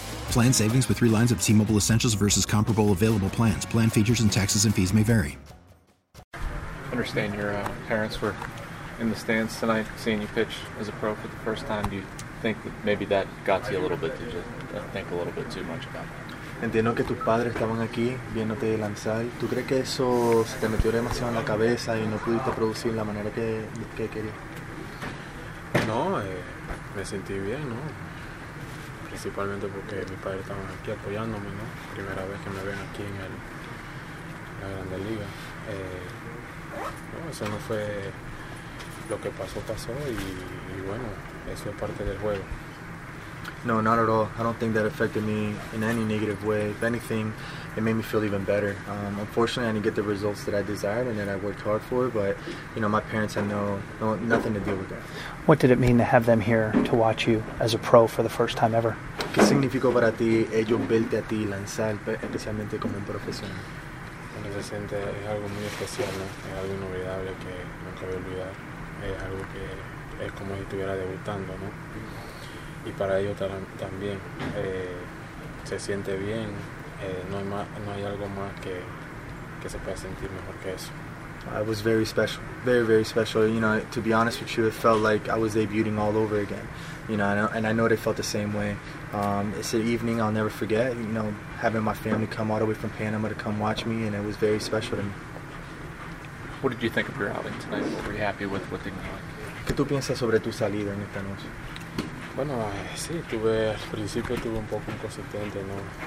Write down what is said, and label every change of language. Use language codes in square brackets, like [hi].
[en] Plan savings with 3 lines of T-Mobile Essentials versus comparable available plans. Plan features and taxes and fees may vary. Understand your parents were in the stands tonight seeing you pitch as a pro for the first time. Do you think that maybe that got to you a little bit to just think a little bit too much about it? [es] Entiendo que tus padres estaban aquí viéndote lanzar. ¿Tú crees que eso se te metió demasiado en la cabeza y no pudiste producir la manera que querías? No, me sentí bien, ¿no? Principalmente porque mis padres estaban aquí apoyándome, ¿no? Primera vez que me ven aquí en la Grande Liga. No, eso no fue lo que pasó, pasó, y bueno, eso es parte del juego. [en] No, not at all. I don't think that affected me in any negative way. If anything, it made me feel even better. Unfortunately, I didn't get the results that I desired and that I worked hard for, but, you know, my parents had no nothing to deal with that. What did it mean to have them here to watch you as a pro for the first time ever? [es] ¿Qué significó para ti ellos verte a ti lanzar, especialmente como un profesional? Cuando se siente es algo muy especial, ¿no? Es algo inolvidable que nunca voy a olvidar. Es algo que es como si estuviera debutando, ¿no? Y para ellos también se siente bien. No hay algo más que se pueda sentir mejor que eso. [en] It was very special, very, very special. You know, to be honest with you, it felt like I was debuting all over again. You know, and I know they felt the same way. It's an evening I'll never forget, you know, having my family come all the way from Panama to come watch me, and it was very special to me. What did you think of your outing tonight? What were you happy with? What didn't you like? [es] ¿Qué tú piensas sobre tu salida en esta noche? Bueno, sí, al principio tuve un poco inconsistente, ¿no?